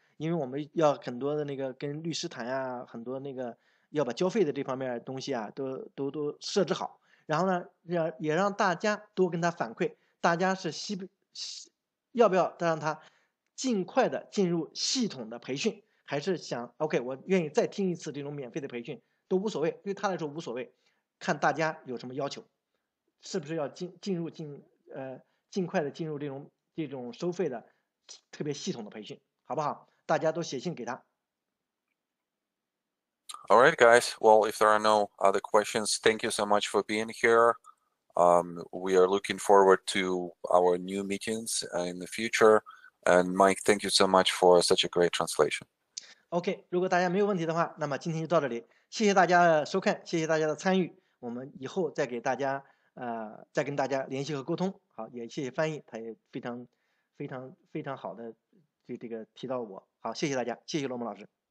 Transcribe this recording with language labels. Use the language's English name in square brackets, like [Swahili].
[Chinese] 因为我们要很多的那个跟律师谈啊，很多那个要把交费的这方面的东西啊都设置好，然后呢也让大家多跟他反馈，大家是要不要让他尽快的进入系统的培训，还是想 OK 我愿意再听一次这种免费的培训都无所谓，对他来说无所谓，看大家有什么要求，是不是要尽快的进入这种这种收费的特别系统的培训，好不好？大家都写信给他。 [English] All right, guys. Well, if there are no other questions, thank you so much for being here. We are looking forward to our new meetings in the future. And Mike, thank you so much for such a great translation. [Chinese] OK, 如果大家没有问题的话，那么今天就到这里。谢谢大家收看，谢谢大家的参与。我们以后再给大家再跟大家联系和沟通。好，也谢谢翻译，他也非常非常非常好的这个提到我。好，谢谢大家，谢谢罗蒙老师。